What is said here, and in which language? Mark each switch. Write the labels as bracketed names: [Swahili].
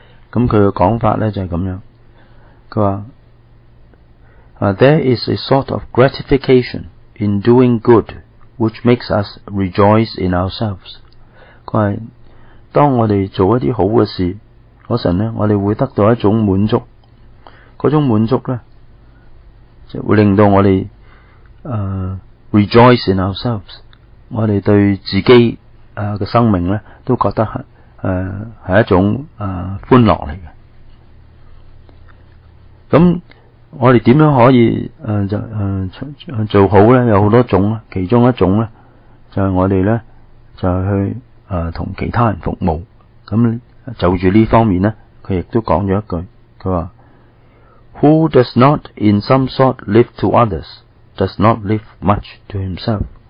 [Cantonese] 咁佢嘅講法咧就係咁樣，佢話： [English] There is a sort of gratification in doing good, which makes us rejoice in ourselves。 [Cantonese] 佢話：當我哋做一啲好嘅事嗰陣咧，我哋會得到一種滿足。嗰種滿足咧，就會令到我哋 [English] rejoice in ourselves， [Cantonese] 我哋對自己嘅生命咧，都覺得係一種歡樂嚟嘅。咁我哋點樣可以做好咧？有好多種啦，其中一種咧就係我哋咧就係去同其他人服務。咁就住呢方面咧，佢亦都講咗一句，佢話。 [English] Who does not in some sort live to others, does not live much to himself.